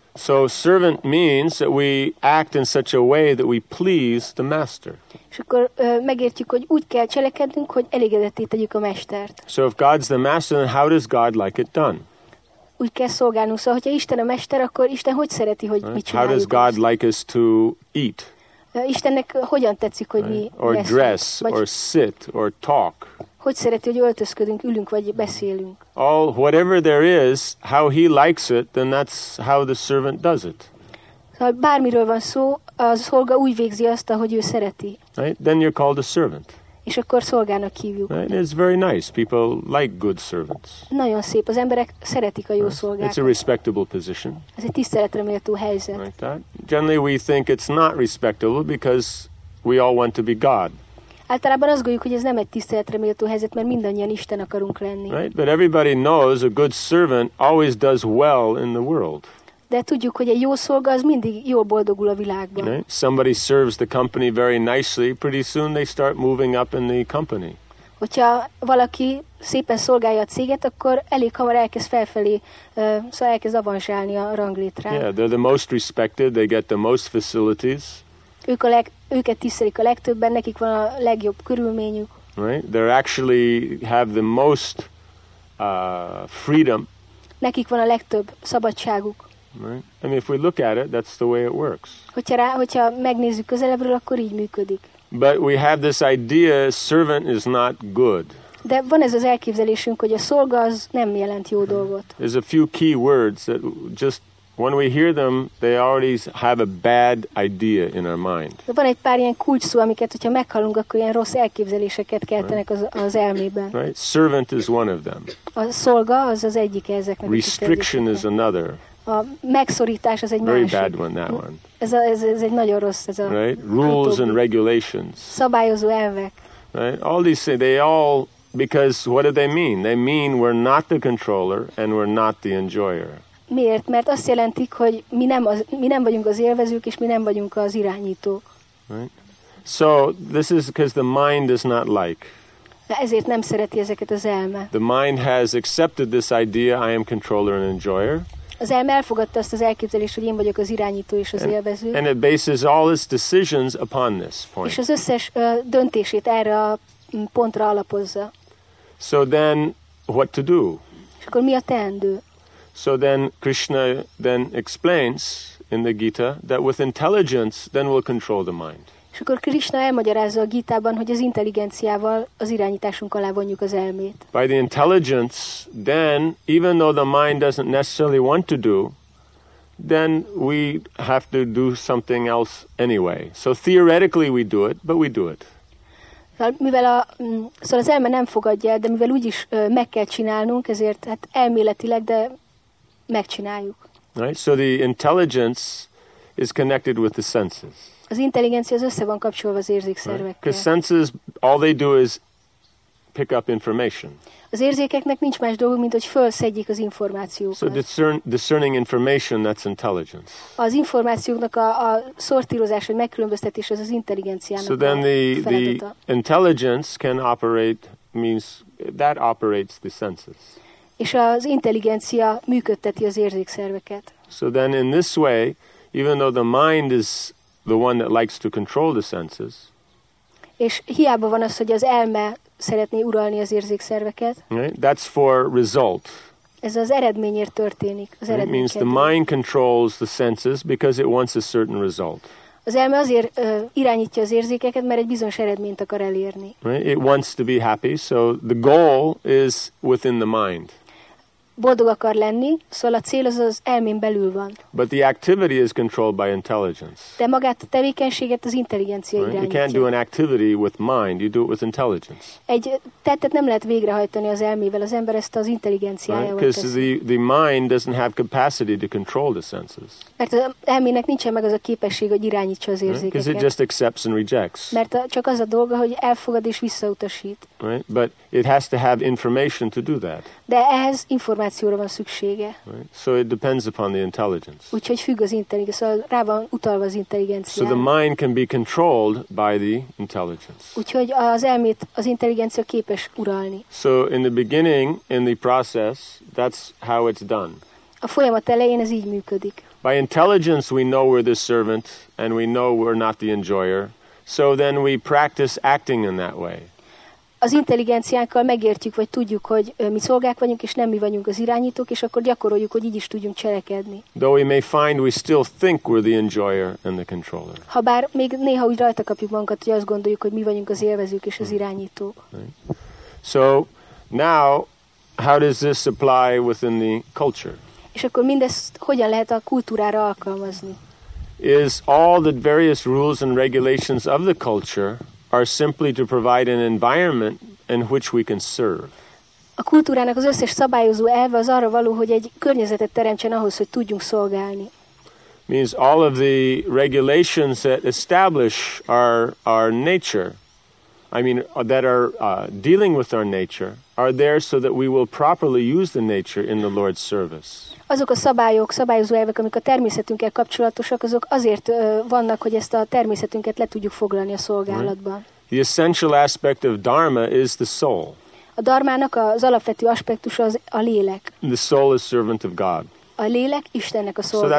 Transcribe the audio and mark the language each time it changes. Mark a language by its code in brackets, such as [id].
[en] So servant means that we act in such a way that we please the master. [hu] És akkor megértjük, hogy úgy kell cselekednünk, hogy elégedetté tegyük a mestert. [en] So if God's the master, then how does God like it done? [hu] Úgy kell szolgálnunk, szóval, hogyha Isten a mester, akkor Isten hogy szereti, hogy [en] right? [hu] mit csináljuk? [en] How does God [hu] ezt? [en] Like us to eat? [hu] Istennek hogyan tetszik, hogy [en] right? [hu] mi [en] or [hu] leszünk? [en] Dress, [hu] vagy [en] or sit, or talk. [hu] Hogy szereti, hogy öltözködünk, ülünk, vagy beszélünk? [en] All, whatever there is, how he likes it, then that's how the servant does it. [hu] Szóval bármiről van szó, a szolga úgy végzi azt, ahogy ő szereti. [en] Right? Then you're called a servant. [hu] És akkor szolgának hívjuk. [en] Right? It's very nice. People like good servants. [hu] Nagyon szép. Az emberek szeretik a jó [en] right? [hu] szolgákat. [en] It's a respectable position. [hu] Ez egy tiszteletre méltó helyzet. [en] Like that. Generally we think it's not respectable because we all want to be God. [hu] Általában azt gondoljuk, hogy ez nem egy tiszteletre méltó helyzet, mert mindannyian Isten akarunk lenni. [en] Right? But everybody knows a good servant always does well in the world. [hu] De tudjuk, hogy egy jó szolga az mindig jól boldogul a világban. [en] Right? Somebody serves the company very nicely, pretty soon they start moving up in the company. [hu] Hogyha valaki szépen szolgálja a céget, akkor elég hamar elkezd felfelé, szóval elkezd avanzsálni a ranglétrán. [en] Yeah, they're the most respected, they get the most facilities. [hu] Őket tisztelik a legtöbben, nekik van a legjobb körülményük. [en] Right? They actually have the most freedom. [hu] Nekik van a legtöbb szabadságuk. [en] Right? I mean, if we look at it, that's the way it works. [hu] Hogyha megnézzük közelebbről, akkor így működik. [en] But we have this idea, servant is not good. [hu] De van ez az elképzelésünk, hogy a szolga az nem jelent jó dolgot. [en] There's a few key words that just when we hear them, they already have a bad idea in our mind. [hu] De van egy pár ilyen kulcsszó, amiket, hogyha meghallunk, akkor ilyen rossz elképzeléseket keltenek az elmében. [en] Right? Servant is one of them. [hu] A szolga az egyik ezeknek. [en] Restriction is another. [hu] a megszorítás az egy [en] very [hu] másik. [en] Bad one, that one. [hu] Ez egy nagyon rossz ez a. [en] Right? Rules and regulations. [hu] Szabályozó elvek. [en] Right? All these things, they all, because what do they mean? They mean we're not the controller and we're not the enjoyer. [hu] Miért? Mert azt jelentik, hogy mi nem vagyunk az élvezők és mi nem vagyunk az irányítók. [en] Right? So this is because the mind is not like. [hu] Ezért nem szereti ezeket az elme. [en] The mind has accepted this idea, I am controller and enjoyer. [hu] Az elme elfogadta azt az elképzelést, hogy én vagyok az irányító és az élvező. [en] And it bases all its decisions upon this point. [hu] És az összes döntését erre a pontra alapozza. [en] So then, what to do? [hu] És akkor mi a teendő? [en] So then, Krishna then explains in the Gita that with intelligence, then we'll control the mind. [hu] És akkor Krishna elmagyarázza a Gitában, hogy az intelligenciával az irányításunk alá vonjuk az elmét. [en] By the intelligence, then, even though the mind doesn't necessarily want to do, then we have to do something else anyway. So theoretically we do it, but we do it. [hu] Szóval az elme nem fogadja, de mivel úgyis meg kell csinálnunk, ezért hát elméletileg, de megcsináljuk. [en] Right? So the intelligence is connected with the senses. [hu] Az intelligencia az össze van kapcsolva az érzékszervekkel. [en] Because senses, all they do is pick up information. [hu] Az érzékeknek nincs más dolguk, mint hogy felszedjék az információkat. [en] So discerning information, that's intelligence. [hu] Az információknak a szortírozás, vagy megkülönböztetés az intelligenciának. [en] So then the intelligence can operate, means that operates the senses. [hu] És az intelligencia működteti az érzékszerveket. [en] So then in this way, even though the mind is the one that likes to control the senses. [hu] És hiába van az, hogy az elme szeretné uralni az érzékszerveket. [en] Right? That's for result. [hu] Ez az eredményért történik. Az [en] it means the mind controls the senses because it wants a certain result. [hu] Az elme azért irányítja az érzékeket, mert egy bizonyos eredményt akar elérni. [en] Right? It wants to be happy, so the goal is within the mind. [hu] Boldog akar lenni, szóval a cél az az elmén belül van. [en] But the activity is controlled by intelligence. [hu] De magát a tevékenységet az intelligencia irányítja. [en] You can't do an activity with mind, you do it with intelligence. [hu] Egy tettet nem lehet végrehajtani az elmével, az ember ezt az intelligenciájával teszi. [en] Because the mind doesn't have capacity to control the senses. [hu] Mert az elmének nincsen meg az a képesség, hogy irányítsa az érzékeket. [en] Because it just accepts and rejects. [hu] Mert csak az a dolga, hogy elfogad és visszautasít. [en] Right? But it has to have information to do that. [hu] De ehhez információra van szüksége. [en] Right? So it depends upon the intelligence. [hu] Úgyhogy függ az intelligencia, szóval rá van utalva az intelligenciára. [en] So the mind can be controlled by the intelligence. [hu] Úgyhogy az elmét az intelligencia képes uralni. [en] So in the beginning, in the process, that's how it's done. [hu] A folyamat elején ez így működik. [en] By intelligence we know we're the servant and we know we're not the enjoyer. So then we practice acting in that way. [hu] Az intelligenciánkkal megértjük, vagy tudjuk, hogy mi szolgák vagyunk, és nem mi vagyunk az irányítók, és akkor gyakoroljuk, hogy így is tudjunk cselekedni. [en] Though we may find we still think we're the enjoyer and the controller. [hu] Habár még néha úgy rajta kapjuk magunkat, hogy azt gondoljuk, hogy mi vagyunk az élvezők és az irányítók. [en] So, now, how does this apply within the culture? [hu] És akkor mindezt hogyan lehet a kultúrára alkalmazni? [en] Is all the various rules and regulations of the culture are simply to provide an environment in which we can serve. [hu] A kultúrának az összes szabályozó elve az arra való, hogy egy környezetet teremtsen ahhoz, hogy tudjunk szolgálni. [en] Means all of the regulations that establish our nature, I mean that are dealing with our nature, are there so that we will properly use the nature in the Lord's service. [hu] Azok a szabályok, szabályozó elvek, amik a természetünkkel kapcsolatosak, azok azért vannak, hogy ezt a természetünket le tudjuk foglalni a szolgálatban. [en] The essential aspect of dharma is the soul. [hu] A dharmának az alapvető aspektusa az a lélek. [en] The soul is servant of God. [hu] A lélek Istennek a szolgálja.